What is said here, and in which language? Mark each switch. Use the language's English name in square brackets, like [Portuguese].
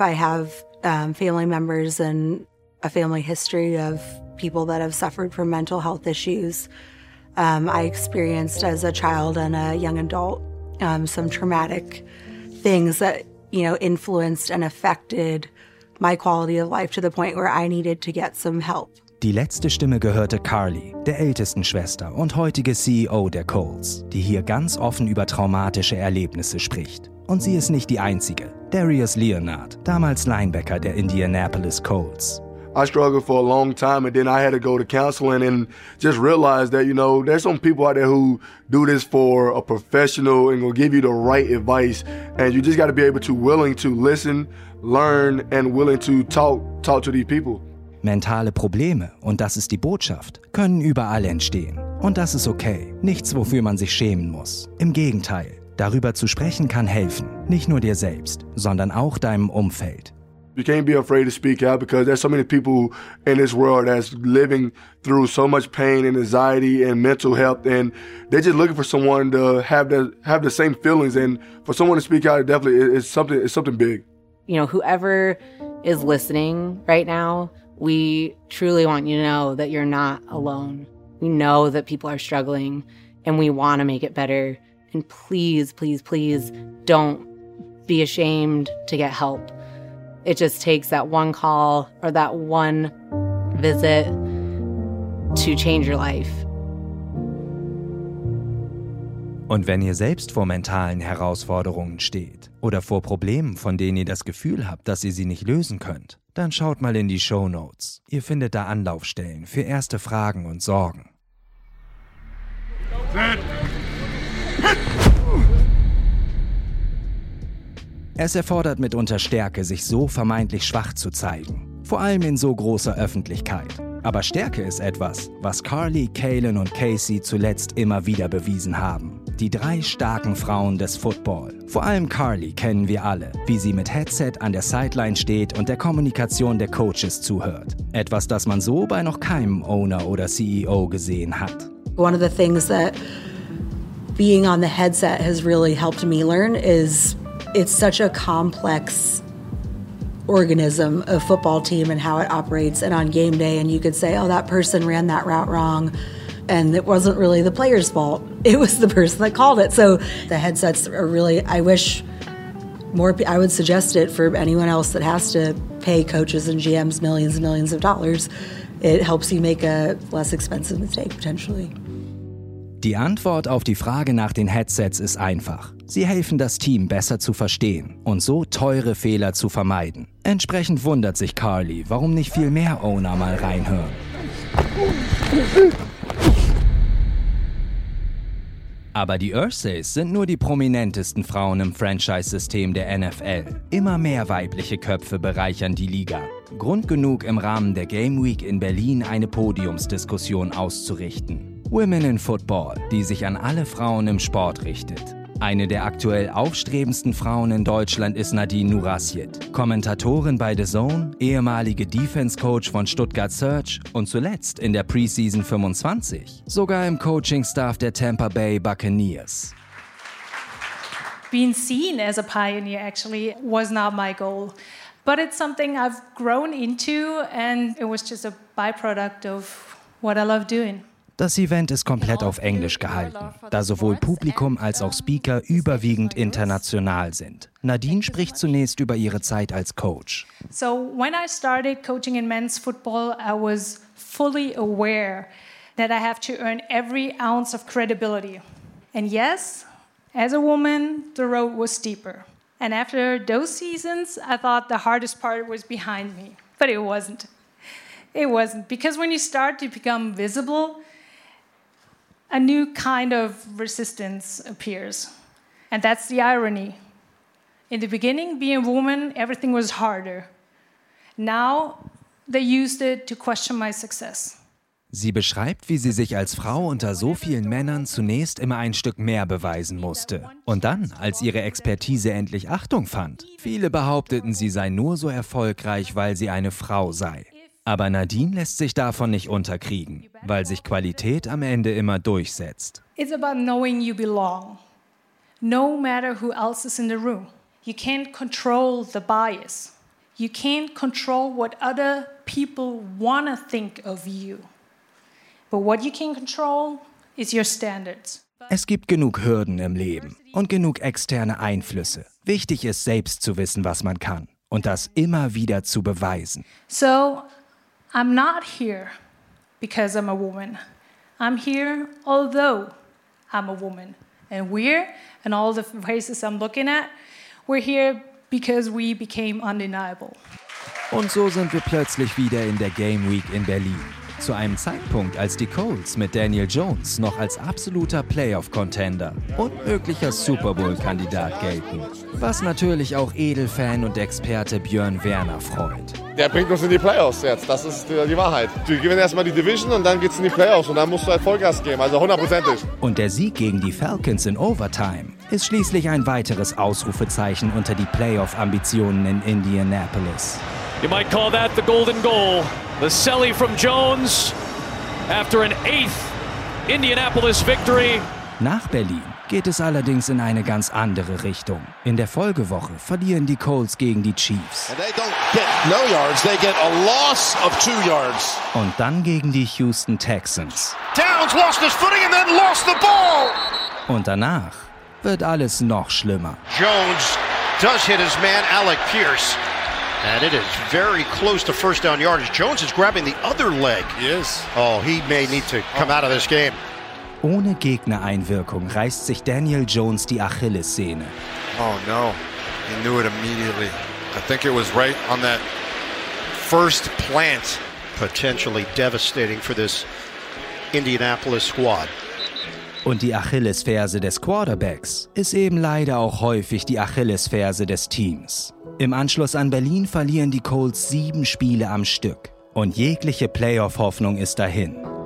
[English] I have family members and a family history of people that have suffered from mental health issues. I experienced as a child and a young adult some traumatic things that, you know, influenced and affected my quality of life to the point where I needed to get some help. [German] Die letzte Stimme gehörte Carly, der ältesten Schwester und heutige CEO der Coles, die hier ganz offen über traumatische Erlebnisse spricht. Und sie ist nicht die einzige. Darius Leonard, damals Linebacker der Indianapolis Coles. [English] I struggled for a long time and then I had to go to counseling and just realize that, you know, there's some people out there who do this for a professional and will give you the right advice and you just got to be able to willing to listen, learn and willing to talk to these people. [German] Mentale Probleme, und das ist die Botschaft, können überall entstehen. Und das ist okay, nichts, wofür man sich schämen muss. Im Gegenteil, darüber zu sprechen kann helfen, nicht nur dir selbst, sondern auch deinem Umfeld. [English] You can't be afraid to speak out because there's so many people in this world that's living through so much pain and anxiety and mental health and they're just looking for someone to have the same feelings and for someone to speak out, it's something big. You know, whoever is listening right now, we truly want you to know that you're not alone. We know that people are struggling and we want to make it better. And please, please, please don't be ashamed to get help. It just takes that one call or that one visit to change your life. [German] Und wenn ihr selbst vor mentalen Herausforderungen steht oder vor Problemen, von denen ihr das Gefühl habt, dass ihr sie nicht lösen könnt, dann schaut mal in die Shownotes. Ihr findet da Anlaufstellen für erste Fragen und Sorgen. Es erfordert mitunter Stärke, sich so vermeintlich schwach zu zeigen. Vor allem in so großer Öffentlichkeit. Aber Stärke ist etwas, was Carly, Kaylin und Casey zuletzt immer wieder bewiesen haben. Die drei starken Frauen des Football. Vor allem Carly kennen wir alle, wie sie mit Headset an der Sideline steht und der Kommunikation der Coaches zuhört. Etwas, das man so bei noch keinem Owner oder CEO gesehen hat. [English] One of the things that being on the headset has really helped me learn is it's such a complex organism of football team and how it operates. And on game day, and you could say, oh, that person ran that route wrong. And it wasn't really the player's fault. It was the person that called it. So the headsets are really, I would suggest it for anyone else that has to pay coaches and GMs millions and millions of dollars. It helps you make a less expensive mistake potentially. [German] Die Antwort auf die Frage nach den Headsets ist einfach. Sie helfen, das Team besser zu verstehen und so teure Fehler zu vermeiden. Entsprechend wundert sich Carly, warum nicht viel mehr Owner mal reinhören. Aber die Ursays sind nur die prominentesten Frauen im Franchise-System der NFL. Immer mehr weibliche Köpfe bereichern die Liga. Grund genug, im Rahmen der Game Week in Berlin eine Podiumsdiskussion auszurichten. Women in Football, die sich an alle Frauen im Sport richtet. Eine der aktuell aufstrebendsten Frauen in Deutschland ist Nadine Nurasjet. Kommentatorin bei The Zone, ehemalige Defense-Coach von Stuttgart Search und zuletzt in der Preseason 25. Sogar im Coaching-Staff der Tampa Bay Buccaneers. [English] Being seen as a pioneer actually was not my goal. But it's something I've grown into and it was just a byproduct of what I love doing. [German] Das Event ist komplett auf Englisch gehalten, da sowohl Publikum als auch Speaker überwiegend international sind. Nadine spricht zunächst über ihre Zeit als Coach. [English] So when I started coaching in men's football, I was fully aware that I have to earn every ounce of credibility. And yes, as a woman, the road was steeper. And after those seasons, I thought the hardest part was behind me. But it wasn't. It wasn't. Because when you start to become visible, a new kind of resistance appears. And that's the irony. In the beginning, being a woman, everything was harder. Now, they used it to question my success. [German] Sie beschreibt, wie sie sich als Frau unter so vielen Männern zunächst immer ein Stück mehr beweisen musste. Und dann, als ihre Expertise endlich Achtung fand. Viele behaupteten, sie sei nur so erfolgreich, weil sie eine Frau sei. Aber Nadine lässt sich davon nicht unterkriegen, weil sich Qualität am Ende immer durchsetzt. [English] It's about knowing you belong. No matter who else is in the room. You can't control the bias. You can't control what other people wanna think of you. But what you can control is your standards. [German] Es gibt genug Hürden im Leben und genug externe Einflüsse. Wichtig ist, selbst zu wissen, was man kann und das immer wieder zu beweisen. [English] So, I'm not here because I'm a woman. I'm here although I'm a woman. And we're, and all the faces I'm looking at, we're here because we became undeniable. [German] Und so sind wir plötzlich wieder in der Game Week in Berlin. Zu einem Zeitpunkt, als die Colts mit Daniel Jones noch als absoluter Playoff-Contender und möglicher Super Bowl-Kandidat gelten. Was natürlich auch Edelfan und Experte Björn Werner freut. Der bringt uns in die Playoffs jetzt, das ist die Wahrheit. Die gewinnen erstmal die Division und dann geht's in die Playoffs und dann musst du halt Vollgas geben, also hundertprozentig. Und der Sieg gegen die Falcons in Overtime ist schließlich ein weiteres Ausrufezeichen unter die Playoff-Ambitionen in Indianapolis. [English] You might call that the golden goal. The celly from Jones after an eighth Indianapolis victory. [German] Nach Berlin geht es allerdings in eine ganz andere Richtung. In der Folgewoche verlieren die Colts gegen die Chiefs. [English] And they don't get no yards, they get a loss of 2 yards. [German] Und dann gegen die Houston Texans. [English] Downs lost his footing and then lost the ball. [German] Und danach wird alles noch schlimmer. [English] Jones does hit his man Alec Pierce. And it is very close to first down yardage. Jones is grabbing the other leg. Yes. Oh, he may need to come out of this game. [German] Ohne Gegnereinwirkung reißt sich Daniel Jones die Achillessehne. [English] Oh no. He knew it immediately. I think it was right on that first plant. Potentially devastating for this Indianapolis squad. [German] Und die Achillesferse des Quarterbacks ist eben leider auch häufig die Achillesferse des Teams. Im Anschluss an Berlin verlieren die Colts 7 Spiele am Stück. Und jegliche Playoff-Hoffnung ist dahin.